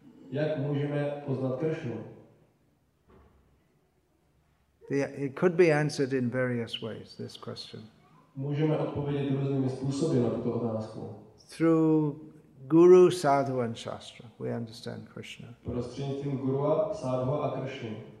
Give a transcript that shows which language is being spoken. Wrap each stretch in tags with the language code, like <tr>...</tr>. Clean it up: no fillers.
<cs>Jak můžeme poznat Krishnu?</cs> <en>It could be answered in various ways, this question.</en> <cs>Můžeme odpovědět různými způsoby na tuto otázku.</cs> <en>Through Guru, Sadhu and Shastra, we understand Krishna.</en> <cs>Prostřednictvím Guru, Sadhu a Krishna.</cs>